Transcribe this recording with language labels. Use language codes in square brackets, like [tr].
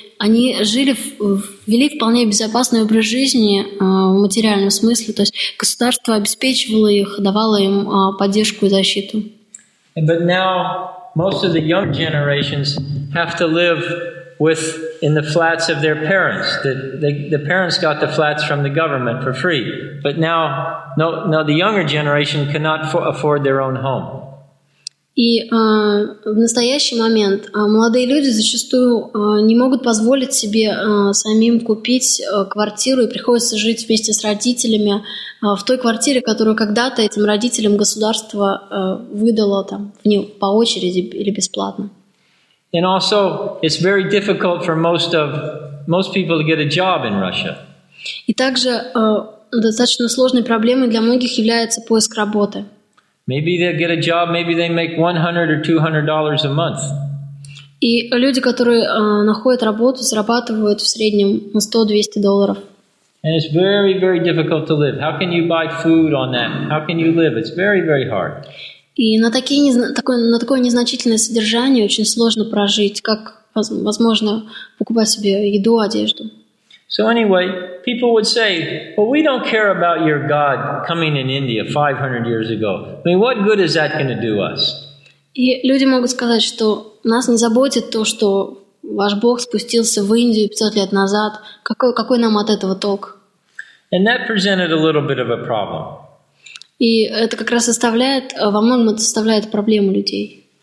[ru] Они жили, вели вполне безопасный образ жизни в материальном смысле. То есть государство обеспечивало их, давало им поддержку и защиту. [en] But now most of the young generations have to live with in the flats of their parents. The parents got the flats from the government for free. But now, no, the younger generation cannot afford their own home. [ru] И в настоящий момент молодые люди зачастую не могут позволить себе самим купить квартиру и приходится жить вместе с родителями в той квартире, которую когда-то этим родителям государство выдало там по очереди или бесплатно. [en] And also, it's very difficult for most people to get a job in Russia. [ru] И также достаточно сложной проблемой для многих является поиск работы. [en] Maybe they get a job, maybe they make $100 or $200 a month. [ru] И люди, которые находят работу, зарабатывают в среднем $100-$200. [en] And it's very, very difficult to live. How can you buy food on that? How can you live? It's very, very hard. [ru] И на такое незначительное содержание очень сложно прожить, как возможно покупать себе еду, одежду. [en] So anyway, people would say, well, we don't care about your God coming in India 500 years ago. I mean, what good is that going to do us? [ru] И люди могут сказать, что нас не заботит то, что ваш Бог спустился в Индию 500 лет назад. Какой нам от этого толк? [en] And that presented a little bit of a problem. [ru] И это как раз составляет, во многом это составляет проблему людей.